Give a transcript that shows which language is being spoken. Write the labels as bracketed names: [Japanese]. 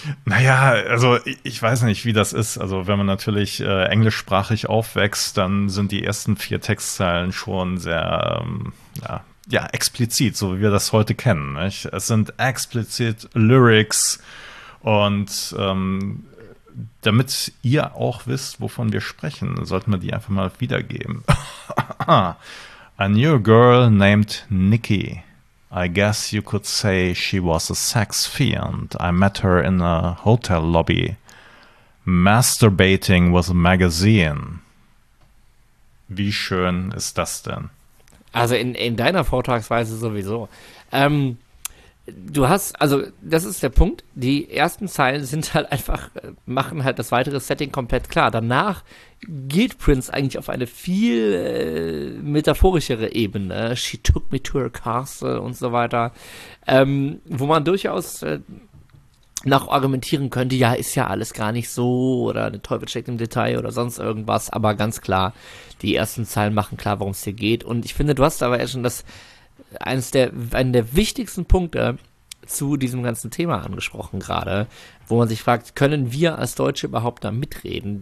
[German] Naja, also ich weiß nicht, wie das ist. Also wenn man natürlich englischsprachig aufwächst, dann sind die ersten 4 Textzeilen schon sehr explizit, so wie wir das heute kennen. Nicht? Es sind explizit Lyrics und damit ihr auch wisst, wovon wir sprechen, sollten wir die einfach mal wiedergeben. [English] A new girl named Nikki. I guess you could say she was a sex fiend. I met her in a hotel lobby, masturbating with a magazine. [German] Wie schön ist das denn? Also in deiner Vortragsweise sowieso. Du hast, also das ist der Punkt, die ersten Zeilen sind halt einfach, machen halt das weitere Setting komplett klar. Danach geht Prince eigentlich auf eine viel metaphorischere Ebene. [English] She took me to her castle [German] und so weiter. Wo man durchaus nach argumentieren könnte, ja, ist ja alles gar nicht so oder der Teufel steckt im Detail oder sonst irgendwas. Aber ganz klar, die ersten Zeilen machen klar, worum es hier geht. Und ich finde, du hast aber erst schon das einen der wichtigsten Punkte zu diesem ganzen Thema angesprochen gerade, wo man sich fragt, können wir als Deutsche überhaupt da mitreden?